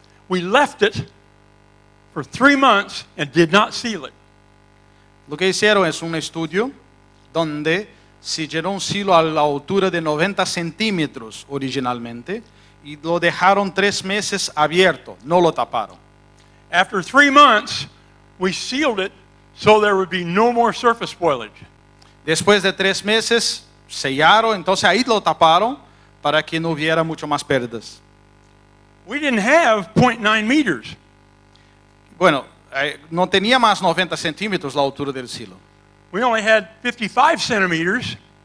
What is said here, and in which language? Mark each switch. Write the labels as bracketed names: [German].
[English] We left it for 3 months and did not seal it. [Spanish] Lo que hicieron es un estudio donde sellaron un silo a la altura de 90 centímetros originalmente y lo dejaron 3 meses abierto, no lo taparon. [English] After 3 months, we sealed it so there would be no more surface spoilage. [Spanish] Después de 3 meses, sellaron, entonces ahí lo taparon para que no hubiera mucho más pérdidas. [English] We didn't have 0.9 meters. [Spanish] Bueno, no tenía más 90 centímetros la altura del silo. [English] We only had 55 centimeters.